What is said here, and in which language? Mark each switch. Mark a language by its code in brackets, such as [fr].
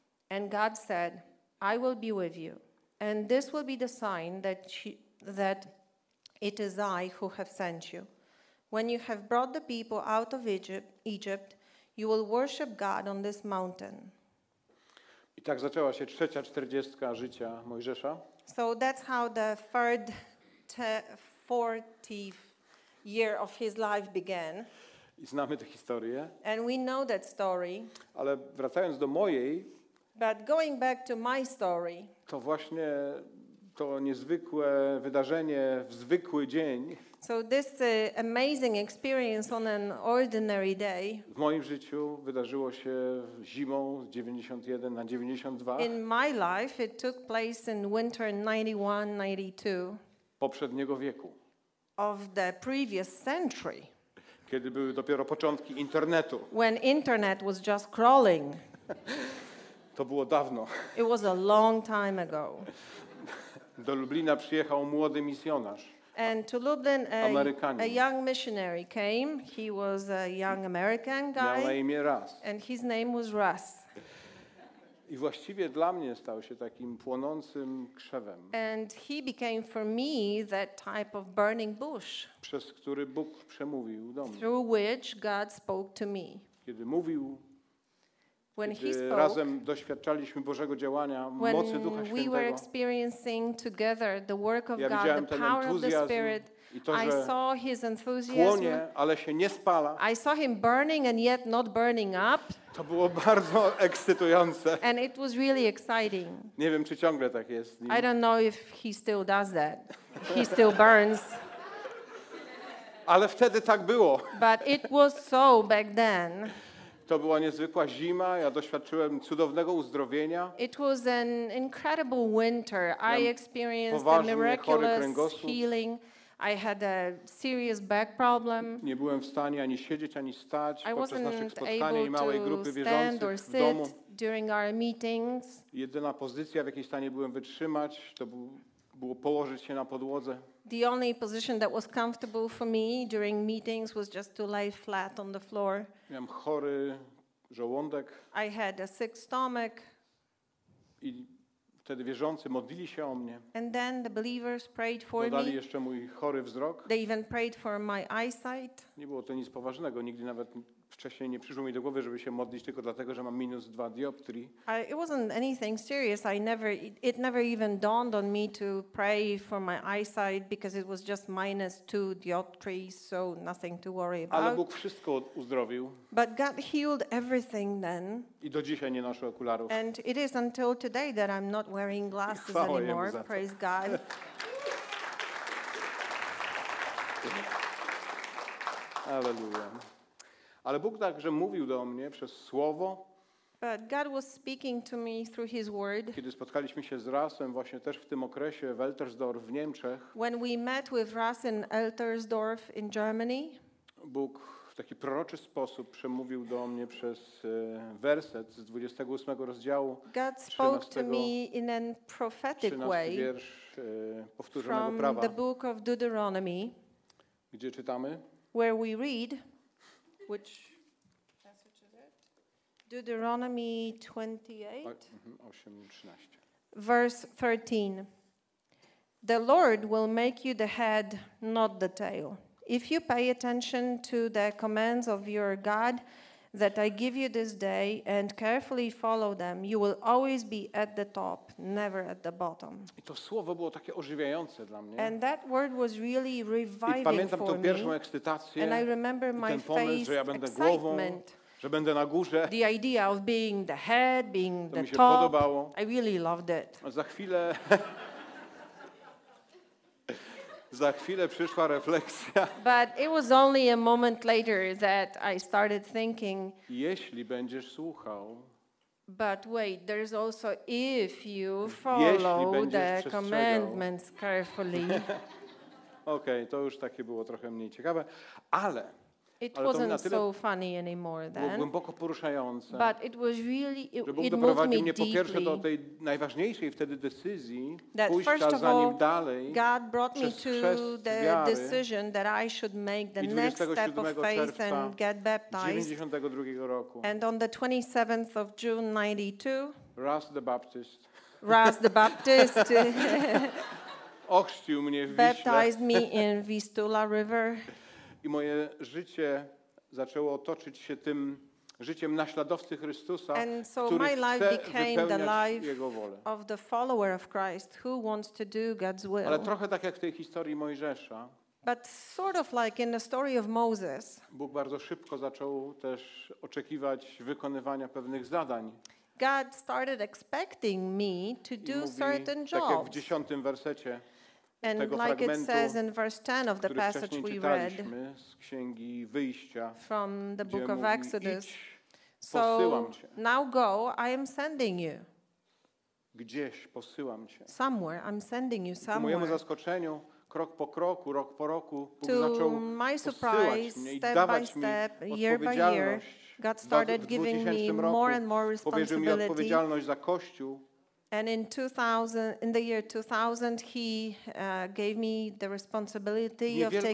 [en] And God said, I will be with you, and this will be the sign that it is I who have sent you. When you have brought the people out of Egypt, you will worship God on this mountain. [pl] I tak zaczęła się trzecia czterdziestka życia Mojżesza. [en] So that's how the third 40th year of his life began. [pl] I znamy tę historię. [en] And we know that story. [pl] Ale wracając do mojej. [en] But going back to my story. [pl] To właśnie to niezwykłe wydarzenie w zwykły dzień. [en] So this amazing experience on an ordinary day. [pl] W moim życiu wydarzyło się zimą 91 na 92. [en] In my life it took place in winter 91-92. [pl] Poprzedniego wieku. [en] Of the previous century. [pl] Kiedy były dopiero początki internetu. [en] When internet was just crawling. [pl] To było dawno. [en] It was a long time ago. [pl] Do Lublina przyjechał młody misjonarz. [en] And to Lublin, a young missionary came. He was a young American guy. [pl] Miał na imię Russ. [en] And his name was Russ. [pl] I właściwie dla mnie stał się takim płonącym krzewem. [en] And he became for me that type of burning bush. [pl] Przez który Bóg przemówił do mnie. [en] Through which God spoke to me. [pl] Kiedy mówił. [en] When he spoke, [pl] razem doświadczaliśmy Bożego działania, [en] when [pl] mocy Ducha Świętego, [en] we were experiencing together the work of God, [pl] ja [en] the power of the Spirit, [pl] to, [en] I saw his enthusiasm. [pl] Płonie, ale się nie spala. [en] I saw him burning and yet not burning up. [pl] To było bardzo ekscytujące. [en] And it was really exciting. [pl] Nie wiem, czy ciągle tak jest. [en] I don't know if he still does that. He still burns. [pl] Ale wtedy tak było. [en] But it was so back then. [pl] To była niezwykła zima. Ja doświadczyłem cudownego uzdrowienia. [en] It was an incredible winter. I experienced a miraculous healing. I had a serious back problem. [pl] Nie byłem w stanie ani siedzieć, ani stać [en] I [pl] podczas naszych spotkań i małej grupy wierzących w domu. [en] During our meetings. [pl] Jedyna pozycja, w jakiej stanie byłem wytrzymać, to było położyć się na podłodze. [en] The only position that was comfortable for me during meetings was just to lay flat on the floor. [pl] Miałem chory żołądek. [en] I had a sick stomach. [pl] I wtedy wierzący modlili się o mnie. [en] And then the believers prayed for [pl] dodali Dodali jeszcze mój chory wzrok. [en] They even prayed for my eyesight. [pl] Nie było to nic poważnego, nigdy nawet wcześniej nie przyszło mi do głowy, żeby się modlić tylko dlatego, że mam minus 2 dioptrii. [en] It wasn't anything serious. It never even dawned on me to pray for my eyesight because it was just minus 2 dioptries, so nothing to worry about. [pl] Ale Bóg wszystko uzdrowił. [en] But God healed everything then. [pl] I do dzisiaj nie noszę okularów. [en] And it is until today that I'm not wearing glasses anymore. Praise God. [pl] Alleluja. Ale Bóg także mówił do mnie przez słowo. [en] But God was speaking to me through his word. [pl] Kiedy spotkaliśmy się z Rasem właśnie też w tym okresie w Eltersdorf w Niemczech. [en] When we met with Ras in Eltersdorf in Germany. [pl] Bóg w taki proroczy sposób przemówił do mnie przez werset z 28 rozdziału. [en] God spoke to me in a prophetic way. [pl] 13 wiersz powtórzonego prawa. [en] From the book of Deuteronomy. [pl] Gdzie czytamy? [en] Where we read. Which passage is it? Deuteronomy 28, verse 13. The Lord will make you the head, not the tail. If you pay attention to the commands of your God that I give you this day and carefully follow them, you will always be at the top, never at the bottom. [pl] I to słowo było takie ożywiające dla mnie. [en] And that word was really reviving for me. [pl] I pamiętam tą pierwszą ekscytację. [en] And I remember my [pl] pomysł, [en] face excitement. [pl] Że będę na górze. [en] The idea of being the head, being [pl] to [en] the [pl] mi się [en] top. [pl] Podobało. [en] I really loved it. [pl] Za chwilę za chwilę przyszła refleksja. [en] But it was only a moment later that I started thinking. [pl] Jeśli będziesz słuchał. [en] But wait, there is also if you follow the commandments carefully. [pl] Okej, okay, to już takie było trochę mniej ciekawe, ale [en] it wasn't so funny anymore then. [pl] Było głęboko poruszające. [en] But it was really, it moved me deeply. [pl] Że Bóg doprowadził mnie po pierwsze do tej najważniejszej wtedy decyzji, pójścia za Nim dalej, [en] God brought me to the decision that I should make the next step of faith and get baptized. [pl] 92 roku. [en] And on the 27th of June 92, [pl] Ras [en] the Baptist [pl] ochrzcił mnie w Wiśle. [en] Baptized me in Vistula River. [pl] I moje życie zaczęło toczyć się tym życiem naśladowcy Chrystusa, [en] so [pl] który chce wypełniać Jego wolę. [en] Of the follower of Christ, who wants to do God's will. [pl] Ale trochę tak jak w tej historii Mojżesza. [en] But sort of like in the story of Moses. [pl] Bóg bardzo szybko zaczął też oczekiwać wykonywania pewnych zadań. [en] God started expecting me to do [pl] mówi, [en] certain jobs. [pl] Tak jak w 10 wersecie. [en] And like it says in verse 10 of the passage we read [pl] z Księgi Wyjścia, [en] from the book of Exodus. [pl] Idź, [en] so now go, I am sending you. [pl] Gdzieś posyłam cię. [en] Somewhere, I'm sending you somewhere. [pl] Ku mojemu zaskoczeniu, krok po kroku, rok po roku, Bóg zaczął posyłać mnie i dawać [en] step, [pl] mi odpowiedzialność. [en] God started giving me more and more responsibility. [pl] Powierzył mi odpowiedzialność za Kościół. [en] And in the year 2000, he gave me the responsibility of